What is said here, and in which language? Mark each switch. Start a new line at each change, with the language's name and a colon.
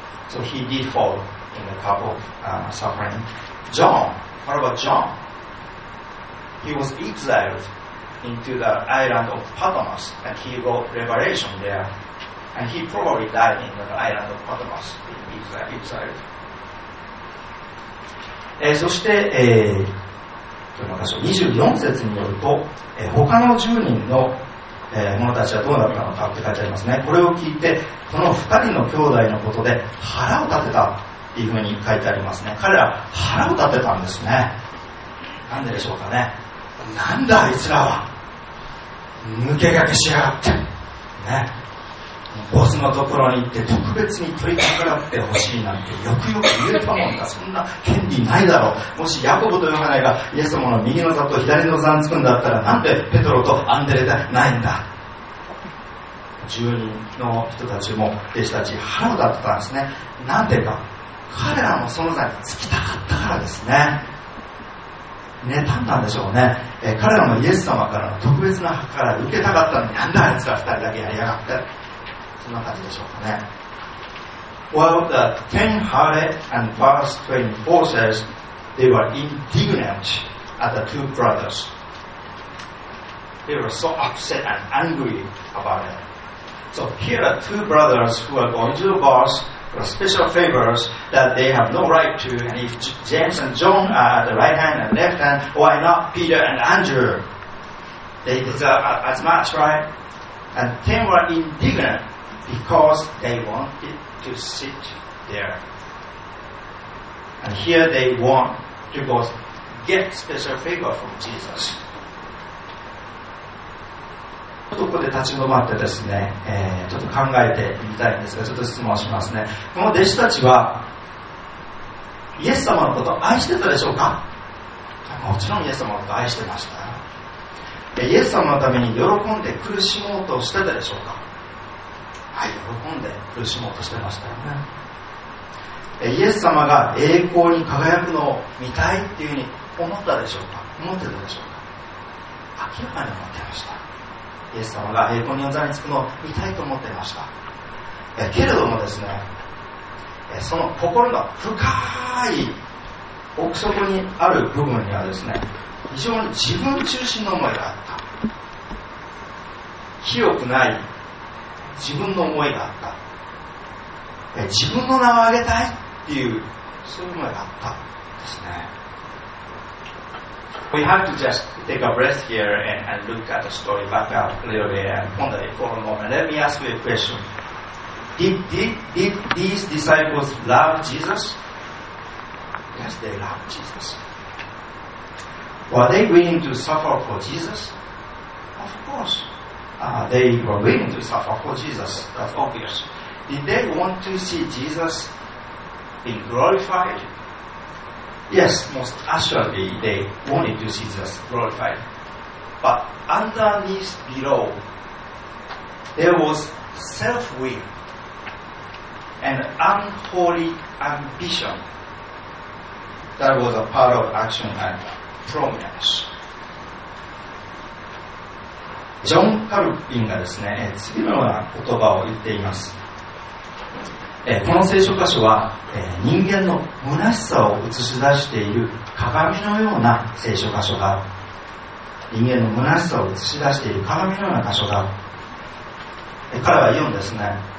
English: So he did fall in the cup of suffering. John, what about John? He was exiled into the island of Patmos, and he wrote Revelation there. And he probably died in the island of Patmos, exiled.
Japanese: そして、24節によると、他の10人の、者たちはどうなったのかって書いてありますね。これを聞いて、この2人の兄弟のことで腹を立てたというふうに書いてありますね。彼ら腹を立てたんですね。なんででしょうかね。なんだあいつらは抜け駆けしやがって、ね、ボスのところに行って特別に取りかかってほしいなんてよくよく言えたもんか。そんな権利ないだろう。もしヤコブとヨハネがイエス様の右の座と左の座につくんだったら、なんでペトロとアンデレでないんだ。住人の人たちも弟子たち腹を立てたんですね。なんでか、彼らもその座につきたかったからですね。妬んだんでしょうね。彼らもイエス様からの特別な計らいを受けたかったのに、なんだあいつら二人だけやりやがって、そんな感じでしょうかね。
English: Well, the ten-hearted and verse 24 says they were indignant at the two brothers. They were so upset and angry about it. So here are two brothers who are going to the boss for special favors that they have no right to. And if James and John are at the right hand and left hand, why not Peter and Andrew? They deserve as much, right? And they were indignant because they wanted to sit there. And here they want to both get special favor from Jesus.
Japanese: ここで立ち止まってですね、ちょっと考えてみたいんですが、ちょっと質問しますね。この弟子たちはイエス様のことを愛してたでしょうか？もちろんイエス様のことを愛してました。イエス様のために喜んで苦しもうとしてたでしょうか？はい、喜んで苦しもうとしてましたよね。イエス様が栄光に輝くのを見たいっていうふうに思ったでしょうか？思ってたでしょうか？明らかに思ってました。イエス様が栄光の座につくのを見たいと思っていました。けれどもですね、その心の深い奥底にある部分にはですね、非常に自分中心の思いがあった。清くない自分の思いがあった。自分の名を挙げたいっていう、そういう思いがあったんですね。
English: We have to just take a breath here and look at the story back up a little bit and ponder it for a moment. Let me ask you a question. Did these disciples love Jesus? Yes, they loved Jesus. Were they willing to suffer for Jesus? Of course. They were willing to suffer for Jesus. That's obvious. Did they want to see Jesus being glorified? Yes, most assuredly they wanted to see Jesus glorified. But underneath, below, there was self-will and unholy ambition that was a part of action and prominence.
Japanese: ジョン・カルビンがですね、次のような言葉を言っています。この聖書箇所は人間の虚しさを映し出している鏡のような聖書箇所が、人間の虚しさを映し出している鏡のような箇所が、彼は言うんですね、